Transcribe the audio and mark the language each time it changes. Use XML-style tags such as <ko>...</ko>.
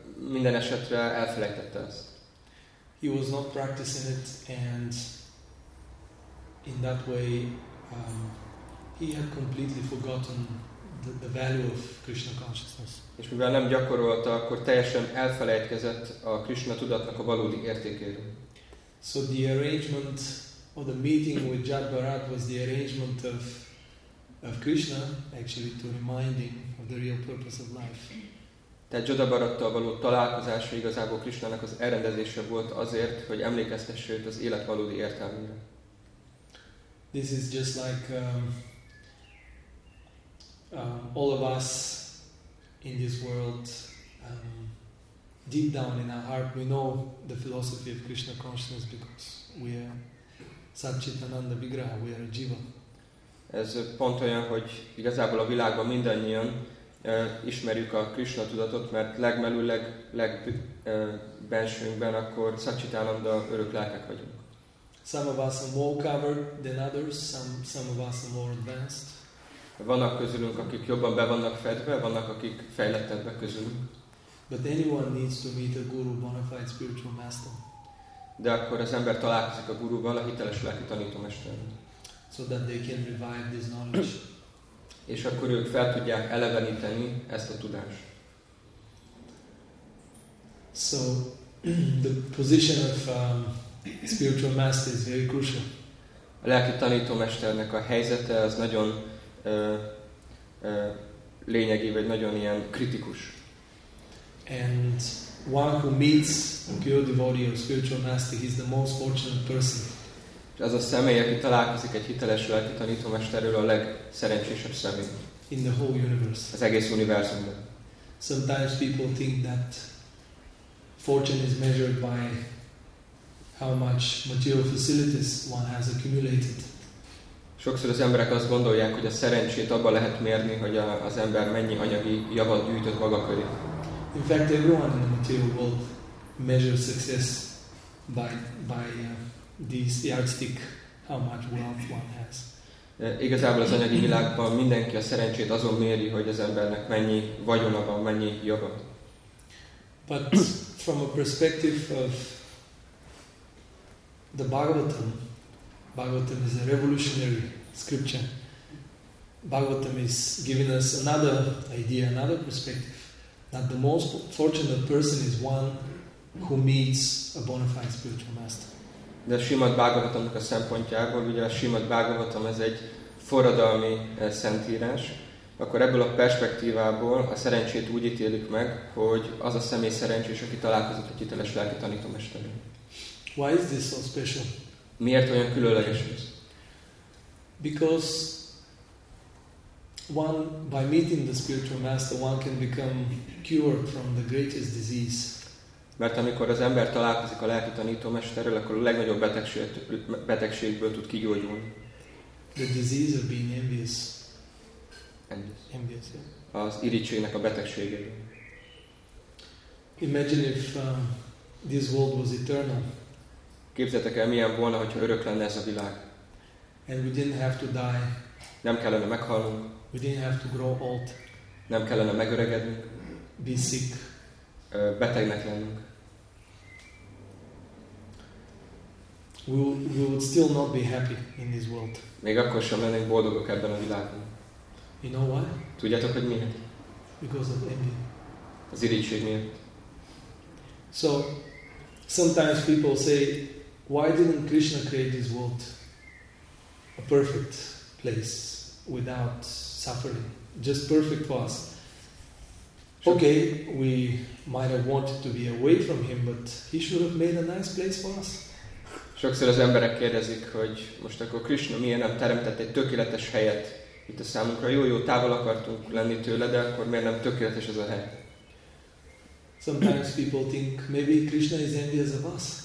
<hu>Minden esetre elfelejtette ezt.</hu> <en>He was not practicing it, and in that way, he had completely forgotten the value of Krishna consciousness.</en> <hu>És mivel nem gyakorolta, akkor teljesen elfelejtkezett a Krishna tudatnak a valódi értékéről.</hu> <en>So the arrangement of the meeting with Jadvarat was the arrangement of Krishna, actually, to remind him of the real purpose of life.</en> <hu>Tehát Jadvarattal való találkozása igazából Krishnának az elrendezése volt azért, hogy emlékeztesse őt az élet valódi értelmére.</hu> <en>This is just like all of us in this world, deep down in our heart, we know the philosophy of Krishna consciousness because we are Satchitananda Vigraha, we are a jiva.</en> <hu>Ez pont olyan, hogy igazából a világban mindannyian ismerjük a Krishna tudatot, mert legbensőnkben akkor Satchitananda örök lelkek vagyunk.</hu> <en>Some of us are more covered than others, some of us are more advanced.</en> <hu>Vannak közülünk, akik jobban be vannak fedve, vannak, akik fejlettebbek közülünk.</hu> <en>But anyone needs to meet a guru, bona fide spiritual master.</en> <hu>De akkor az ember találkozik a guruval, a hiteles lelki tanítómesterrel.</hu> <en>So that they can revive this knowledge.</en> <hu>És akkor ők fel tudják eleveníteni ezt a tudást.</hu> <en>So the position of spiritual master is very crucial.</en> <hu>A lelki tanítómesternek a helyzete az nagyon lényegi, vagy nagyon ilyen kritikus.</hu> <en>And one who meets a pure devotee or spiritual master, he's the most fortunate person.</en> <hu>Az a személy, aki találkozik egy hiteles lelki tanítómesterrel, a legszerencsésebb személy.</hu> <en>In the whole universe.</en> <hu>Az egész univerzumban.</hu> <en>Sometimes people think that fortune is measured by how much material facilities one has accumulated.</en> <hu>Sokszor az emberek azt gondolják, hogy a szerencsét abban lehet mérni, hogy az ember mennyi anyagi javat gyűjtött maga köré.</hu> <en>In fact, everyone in the material world measures success by the yardstick, how much wealth one has.</en> <hu>Igazából az anyagi világban mindenki a szerencsét azon méri, hogy az embernek mennyi vagyona van, mennyi joga.</hu> <en>But from a perspective of the Bhagavatam, Bhagavatam is a revolutionary scripture. Bhagavatam is giving us another idea, another perspective, that the most fortunate person is one who meets a bona fide spiritual master.</en> <hu>De a Srimad Bhagavatamnak a szempontjából, ugye a Srimad Bhagavatam ez egy forradalmi szentírás, akkor ebből a perspektívából a szerencsét úgy ítélik meg, hogy az a személy szerencsés, aki találkozott egy hiteles lelki tanítómesterrel.</hu> <en>Why is this so special?</en> <hu>Miért olyan különleges ez?</hu> <en>Because one, by meeting the spiritual master, one can become cured from the greatest disease.</en> <hu>Mert amikor az ember találkozik a lelki tanítómesterrel, akkor a legnagyobb betegségből tud kigyógyulni.</hu> <en>The disease of being envious. Envious.</en> <hu>Az irigységnek a betegsége.</hu> <en>Imagine if this world was eternal.</en> <hu>Képzeljétek el, milyen volna, hogyha örök lenne ez a világ.</hu> <en>And we didn't have to die.</en> <hu>Nem kellene meghalnunk.</hu> <en>We didn't have to grow old.</en> <hu>Nem kellene megöregedni.</hu> <en>Be sick.</en> <hu>Betegnek lennünk.</hu> <en>We would still not be happy in this world.</en> <hu>Még akkor sem lennénk boldogok ebben a világban.</hu> <en>You know why?</en> <hu>Tudjátok, hogy miért?</hu> <en>Because of envy.</en> <hu>Az irigység miatt.</hu> <en>So, sometimes people say, why didn't Krishna create this world a perfect place without suffering? Just perfect for us. Okay, we might have wanted to be away from him, but he should have made a nice place for us.</en> <hu>Sokszor az emberek kérdezik, hogy most akkor Krishna miért nem teremtett egy tökéletes helyet itt a számunkra. Jó, távol akartunk lenni tőle, de akkor miért nem tökéletes ez a hely?</hu> <en>Sometimes people think maybe Krishna is envious of us.</en>